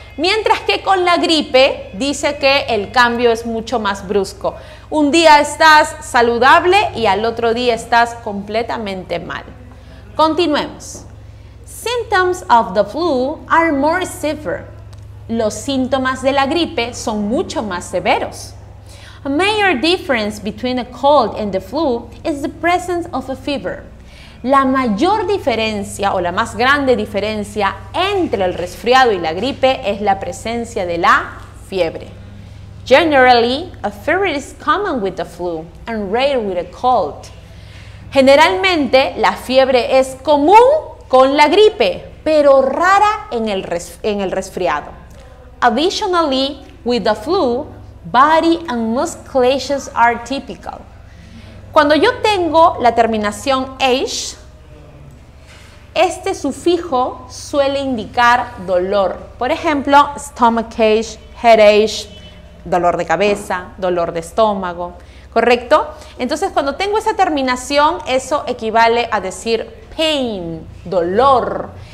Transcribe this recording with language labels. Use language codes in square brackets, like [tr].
[es] Mientras que con la gripe, dice que el cambio es mucho más brusco. Un día estás saludable y al otro día estás completamente mal. Continuemos. [en] Symptoms of the flu are more severe. [es] Los síntomas de la gripe son mucho más severos. [en] A major difference between a cold and the flu is the presence of a fever. [es] La mayor diferencia o la más grande diferencia entre el resfriado y la gripe es la presencia de la fiebre. [en] Generally, a fever is common with the flu and rare with a cold. [es] Generalmente, la fiebre es común con la gripe, pero rara en el resfriado. [en] Additionally, with the flu, body and musculations are typical. [es] Cuando yo tengo la terminación age, este sufijo suele indicar dolor. Por ejemplo, stomachache, headache, dolor de cabeza, dolor de estómago, ¿correcto? Entonces, cuando tengo esa terminación, eso equivale a decir pain, dolor.